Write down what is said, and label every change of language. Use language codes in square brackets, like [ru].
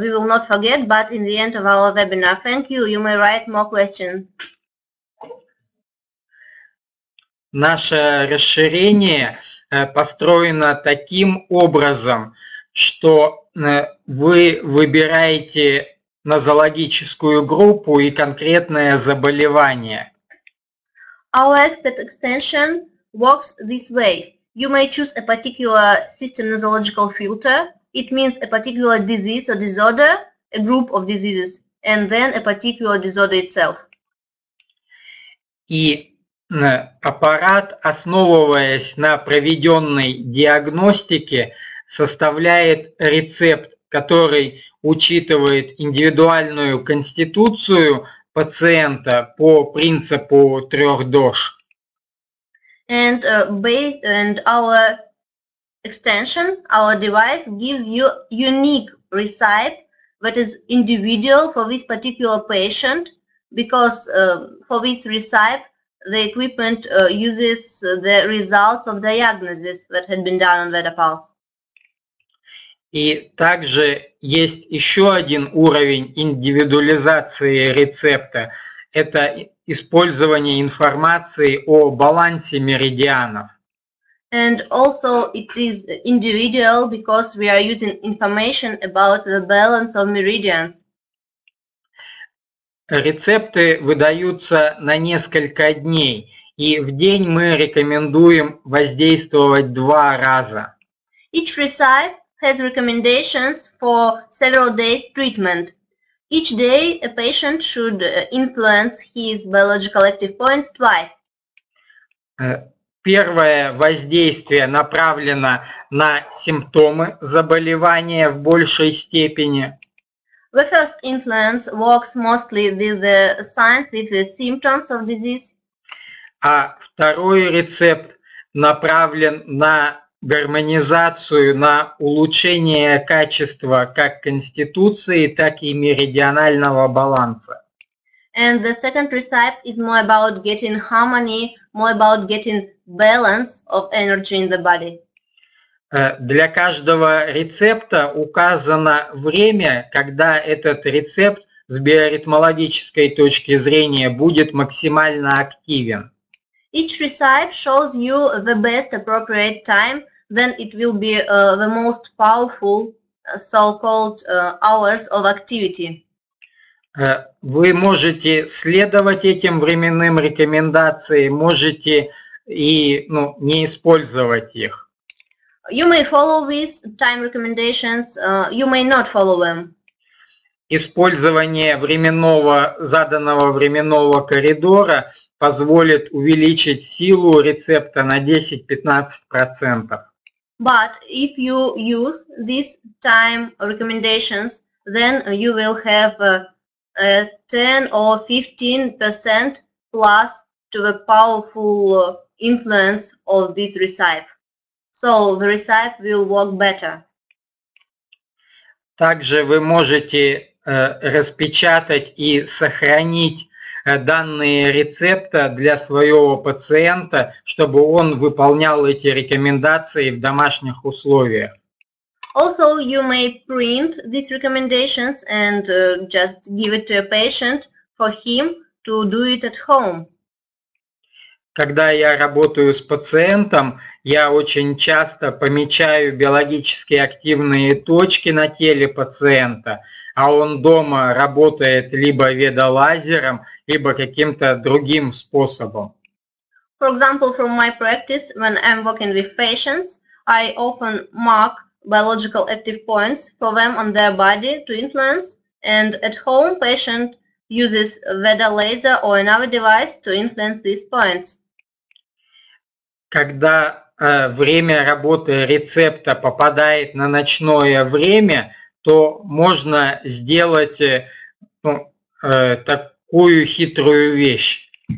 [en] We will not forget, but in the end of our webinar. Thank you. You may write more questions. [ru] Наше расширение построено таким образом, что вы выбираете нозологическую группу и конкретное заболевание. [en] Our expert extension works this way. You may choose a particular system nosological filter. It means a particular disease or disorder, a group of diseases, and then a particular disorder itself. [ru] И аппарат, основываясь на проведенной диагностике, составляет рецепт, который учитывает индивидуальную конституцию пациента по принципу трех доз. [en] And based and our extension, our device gives you unique recipe that is individual for this particular patient, because for this recipe the equipment uses the results of diagnosis that had been done on VetaPulse. [ru] И также есть еще один уровень индивидуализации рецепта. Это использование информации о балансе меридианов. [en] And also it is individual because we are using information about the balance of meridians. [ru] Рецепты выдаются на несколько дней, и в день мы рекомендуем воздействовать два раза. [en] Each recipe has recommendations for several days treatment. Each day a patient should influence his biological active points twice. [ru] Первое воздействие направлено на симптомы заболевания в большей степени. [en] The first influence works mostly with the signs, with the symptoms of disease. [ru] А второй рецепт направлен на гармонизацию, на улучшение качества как конституции, так и меридианального баланса. [en] And the second recipe is more about getting harmony, more about getting balance of energy in the body. [ru] Для каждого рецепта указано время, когда этот рецепт с биоритмологической точки зрения будет максимально активен. [en] Each recipe shows you the best appropriate time. Then it will be the most powerful so-called hours of activity. [ru] Вы можете следовать этим временным рекомендациям, можете и не использовать их. [en] You may follow these time recommendations, you may not follow them. [ru] Использование заданного временного коридора позволит увеличить силу рецепта на 10-15%. [en] But if you use these time recommendations, then you will have a 10 or 15% plus to the powerful influence of this recipe. So the recipe will work better. [ru] Также вы можете распечатать и сохранить данные рецепта для своего пациента, чтобы он выполнял эти рекомендации в домашних условиях. [en] Also, you may print these recommendations and just give it to a patient for him to do it at home. [ru] Когда я работаю с пациентом, я очень часто помечаю биологически активные точки на теле пациента, а он дома работает либо ведолазером, либо каким-то другим способом. [en] For example, from my practice, when I'm working with patients, I often mark biological active points for them on their body to influence, and at home patient uses VEDA laser or another device to influence these points. [ru] Когда время работы рецепта попадает на ночное время, то можно сделать такую хитрую вещь.